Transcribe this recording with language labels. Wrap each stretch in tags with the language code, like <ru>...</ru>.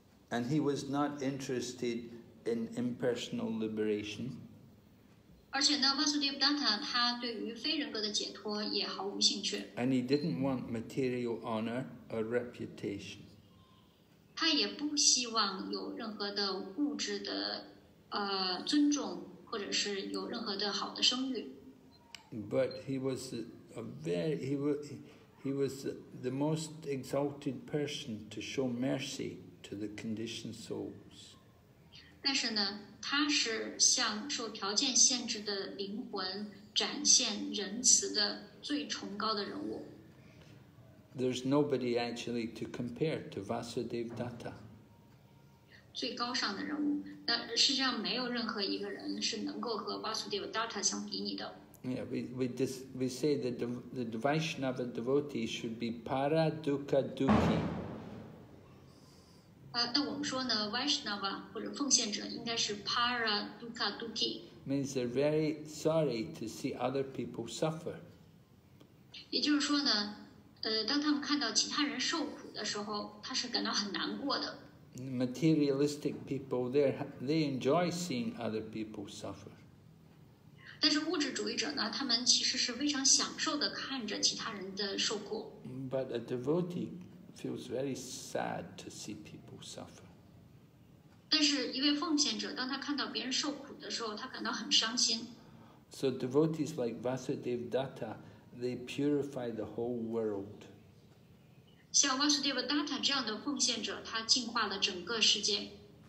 <en>And he was not interested in impersonal liberation.</en> <zh>而且呢 ，Vasudev Datta 他对于非人格的解脱也毫无兴趣。</zh> <en>And he didn't want material honor or reputation.</en> <zh>他也不希望有任何的物质的尊重，或者是有任何的好的声誉。</zh> <en>But he was he was the most exalted person to show mercy. To the conditioned souls.</en> <zh>但是呢，他是向受条件限制的灵魂展现仁慈的最崇高的人物。</zh> <en>There's nobody actually to compare to Vasudev Datta.</en> <zh>最高尚的人物，那世界上没有任何一个人是能够和 Vasudev Datta 相比拟的。</zh> <en>Yeah, we say that the Vaishnava devotee should be para dukkha dukhi.</en> <zh>那我们说呢 ，Vaishnava 或者奉献者应该是 para dukkha dukhi.</zh> <en>Means they're very sorry to see other people suffer.</en> <zh>也就是说呢，当他们看到其他人受苦的时候，他是感到很难过的。</zh> <en>Materialistic people, they enjoy seeing other people suffer.</en> <zh>但是物质主义者呢，他们其实是非常享受的看着其他人的受苦。</zh> <en>But a devotee feels very sad to see people. Suffer.</en> <zh>但是一位奉献者，当他看到别人受苦的时候，他感到很伤心。</zh> <en>So devotees like Vasudev Datta, they purify the whole world.</en> <zh>像 Vasudeva Datta 这样的奉献者，他净化了整个世界。</zh>